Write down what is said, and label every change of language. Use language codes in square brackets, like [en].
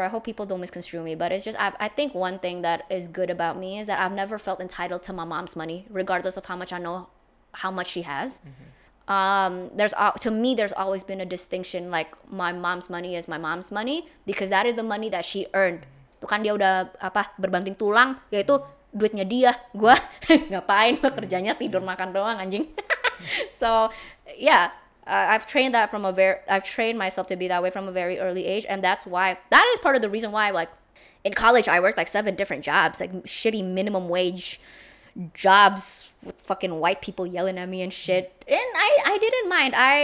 [en] I hope people don't misconstrue me. But it's just, I think one thing that is good about me is that I've never felt entitled to my mom's money, regardless of how much I know how much she has. Mm-hmm. There's always been a distinction, like my mom's money is my mom's money, because that is the money that she earned. [id] bukan dia udah apa berbanting tulang, yaitu duitnya dia. Gue ngapain kerjanya tidur makan doang anjing. [en] So yeah, I've trained myself to be that way from a very early age, and that's why, that is part of the reason why, like, in college I worked like 7 different jobs, like shitty minimum wage jobs with fucking white people yelling at me and shit, and I didn't mind.